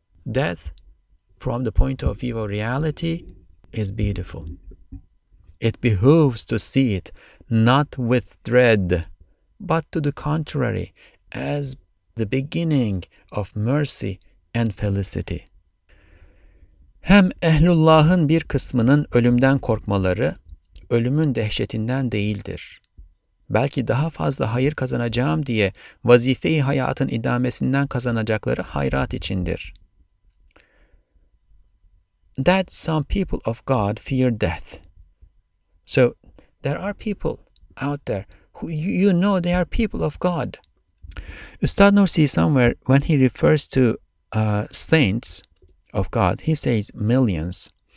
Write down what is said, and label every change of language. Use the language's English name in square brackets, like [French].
[English] Death, from the point of view of reality, is beautiful. It behooves to see it not with dread, but to the contrary, as the beginning of mercy and felicity. [Turkish] Hem ehlullahın bir kısmının ölümden korkmaları, ölümün dehşetinden değildir. Belki daha fazla hayır kazanacağım diye vazife-i hayatın idamesinden kazanacakları hayrat içindir. [English] That some people of God fear death. So, there are people out there who you know they are people of God. Üstad Nursi somewhere, when he refers to saints of God, he says millions.